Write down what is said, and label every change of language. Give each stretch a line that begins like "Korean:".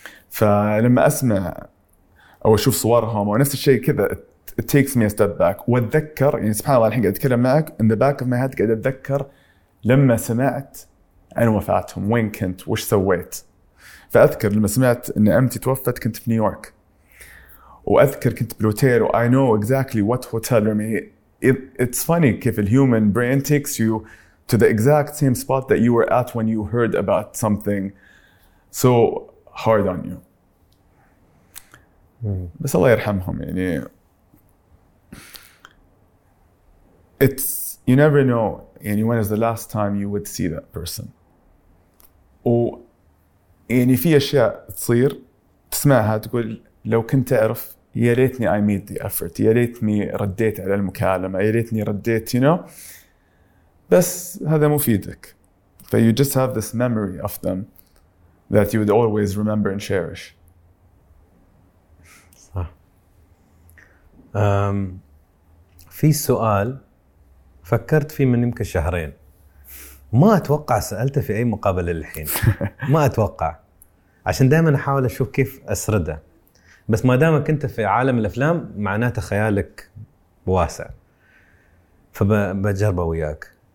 Arabic: فلما اسمع او اشوف صورهم ونفس الشيء كذا
English: it takes me a step back،
Arabic: واتذكر يعني سبحان الله الحين قاعد اتكلم معك
English: in the back of my head
Arabic: قاعد اتذكر لما سمعت عن وفاتهم، وين كنت وش سويت. فاذكر لما سمعت ان امتي توفت كنت في نيويورك، واذكر كنت بالهوتيل،
English: I know exactly what hotel room. It's funny if a human brain takes you to the exact same spot that you were at when you heard about something so hard on you.
Arabic: بس الله يرحمهم، يعني
English: it's you never know يعني when is the last time you would see that person. و يعني في اشياء تصير تسمعها تقول لو كنت اعرف يا ريتني I made the effort، يا ريتني رديت على المكالمه، يا ريتني رديت you know.
Arabic: بس هذا مفيدك، ف
English: you just have this memory of them that you would always remember and cherish.
Arabic: صح. في سؤال فكرت فيه من يمكن شهرين، ما اتوقع سالته في اي مقابله للحين، ما اتوقع، عشان دائما احاول اشوف كيف اسرده، بس ما دامك انت في عالم الافلام معناته خيالك واسع، فبجربه وياك.